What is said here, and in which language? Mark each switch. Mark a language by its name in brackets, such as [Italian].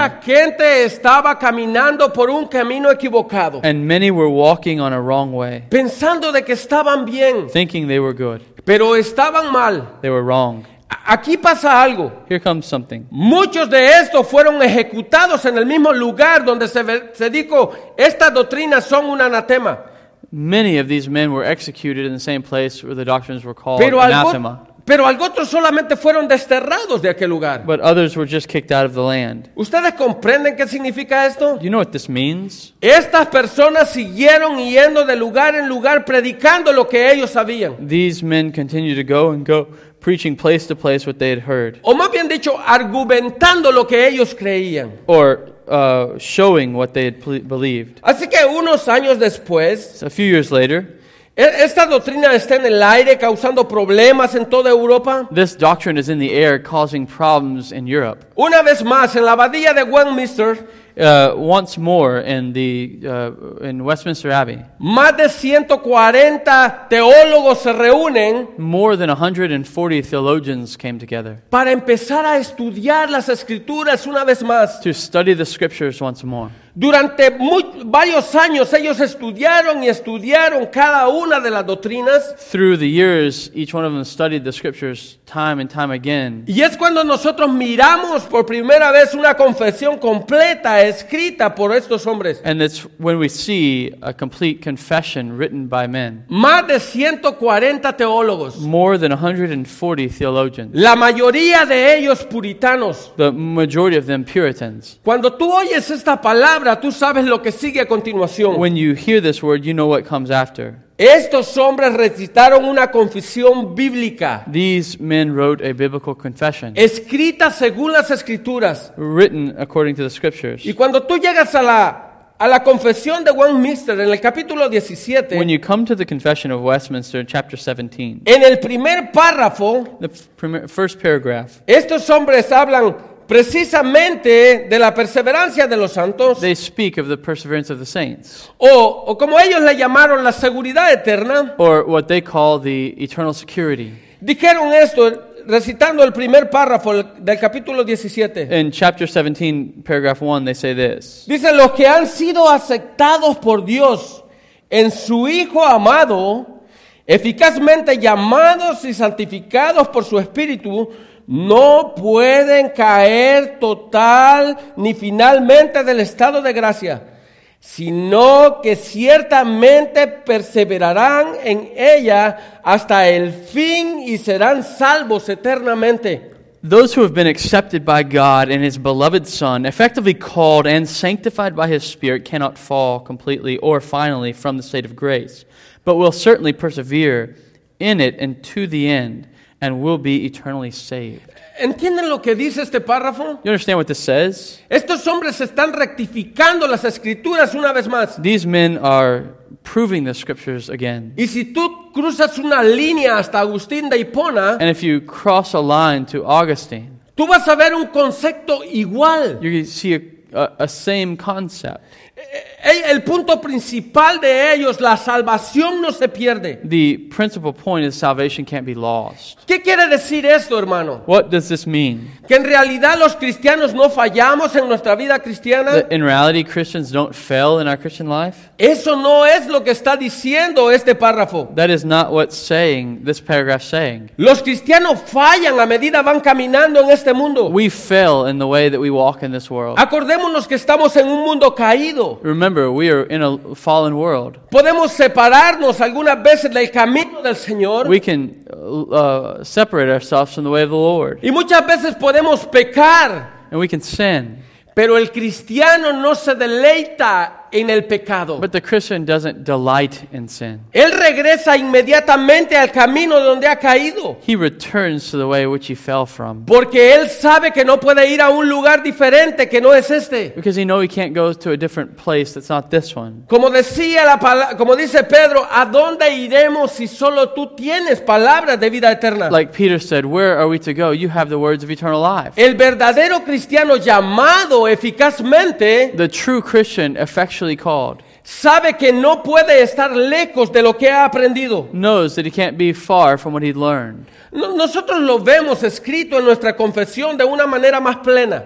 [Spanish] Mucha gente estaba caminando por un camino equivocado. [English] And many were walking on a wrong way. [Spanish] Pensando de que estaban bien. [English] Thinking they were good. [Spanish] Pero estaban mal. [English] They were wrong. [Spanish] Aquí pasa algo. [English] Here comes something. [Spanish] Muchos de estos fueron ejecutados en el mismo lugar donde se dijo estas doctrinas son un anatema. [English] Many of these men were executed in the same place where the doctrines were called anathema. [Spanish] Pero algunos solamente fueron desterrados de aquel lugar. [English] But others were just kicked out of the land. [Spanish] ¿Ustedes comprenden qué significa esto? [English] Do you know what this means? [Spanish] Estas personas siguieron yendo de lugar en lugar predicando lo que ellos sabían. [English] These men continued to go and go preaching place to place what they had heard. [Spanish] O más bien dicho, argumentando lo que ellos creían. [English] Or showing what they had believed. [Spanish] Así que unos años después, [English] so a few years later, [Spanish] esta doctrina está en el aire causando problemas en toda Europa. [English] This doctrine is in the air causing problems in Europe. [Spanish] Una vez más en la abadía de Westminster, [English] once more in the in Westminster Abbey. [Spanish] Más de 140 teólogos se reúnen. [English] More than 140 theologians came together. [Spanish] Para empezar a estudiar las escrituras una vez más. [English] To study the scriptures once more. [Spanish] Durante varios años ellos estudiaron y estudiaron cada una de las doctrinas. [English] Through the years, each one of them studied the scriptures time and time again. [Spanish] Y es cuando nosotros miramos por primera vez una confesión completa escrita por estos hombres. [English] And it's when we see a complete confession written by men. [Spanish] Más de 140 teólogos. [English] More than 140 theologians. [Spanish] La mayoría de ellos puritanos. [English] The majority of them Puritans. [Spanish] Cuando tú oyes esta palabra, tú sabes lo que sigue a continuación. [English] When you hear this word, you know what comes after. [Spanish] Estos hombres recitaron una confesión bíblica. [English] These men wrote a biblical confession. [Spanish] Escrita según las escrituras. [English] Written according to the scriptures. [Spanish] Y cuando tú llegas a la A la confesión de Westminster en el capítulo 17. [English] When you come to the confession of Westminster in chapter 17. [Spanish] En el primer párrafo. [English] The first paragraph. [Spanish] Estos hombres hablan precisamente de la perseverancia de los santos. [English] They speak of the perseverance of the saints. [Spanish] O como ellos le llamaron, la seguridad eterna. [English] Or what they call the eternal security. [Spanish] Dijeron esto recitando el primer párrafo del capítulo 17. [English] In chapter 17, paragraph 1, they say this. [Spanish] Dicen, los que han sido aceptados por Dios en su Hijo amado, eficazmente llamados y santificados por su Espíritu, no pueden caer total ni finalmente del estado de gracia, sino que ciertamente perseverarán en ella hasta el fin y serán salvos eternamente. [English] Those who have been accepted by God and His beloved Son, effectively called and sanctified by His Spirit, cannot fall completely or finally from the state of grace, but will certainly persevere in it and to the end, and will be eternally saved. [Spanish] ¿Entienden lo que dice este párrafo? [English] You understand what this says? [Spanish] Estos hombres están rectificando las escrituras una vez más. [English] These men are proving the scriptures again. [Spanish] Y si tú cruzas una línea hasta Agustín de Hipona, [English] and if you cross a line to Augustine, [Spanish] tú vas a ver un concepto igual. [English] You see a same concept. [Spanish] El punto principal de ellos, la salvación no se pierde. [English] The principal point is salvation can't be lost. [Spanish] ¿Qué quiere decir esto, hermano? [English] What does this mean? [Spanish] Que en realidad los cristianos no fallamos en nuestra vida cristiana. [English] That in reality, Christians don't fail in our Christian life. [Spanish] Eso no es lo que está diciendo este párrafo. [English] That is not what saying this paragraph saying. [Spanish] Los cristianos fallan a medida van caminando en este mundo. [English] We fail in the way that we walk in this world. [Spanish] Acordémonos que estamos en un mundo caído. [English] Remember, we are in a fallen world. [Spanish] Podemos separarnos algunas veces del camino del Señor. [English] We can separate ourselves from the way of the Lord. [Spanish] Y muchas veces podemos pecar. [English] And we can sin. [Spanish] Pero el cristiano no se deleita en el pecado. [English] But the Christian doesn't delight in sin. [Spanish] Él regresa inmediatamente al camino donde ha caído. [English] He returns to the way which he fell from. [Spanish] Porque él sabe que no puede ir a un lugar diferente que no es este. [English] Because he knows he can't go to a different place that's not this one. [Spanish] Como dice Pedro, ¿a dónde iremos si solo tú tienes palabras de vida eterna? [English] Like Peter said, where are we to go? You have the words of eternal life. [Spanish] El verdadero cristiano llamado eficazmente, [English] the true Christian effectively called, [Spanish] sabe que no puede estar lejos de lo que ha aprendido. [English] Knows that he can't be far from what he learned. [Spanish] Nosotros lo vemos escrito en nuestra confesión de una manera más plena.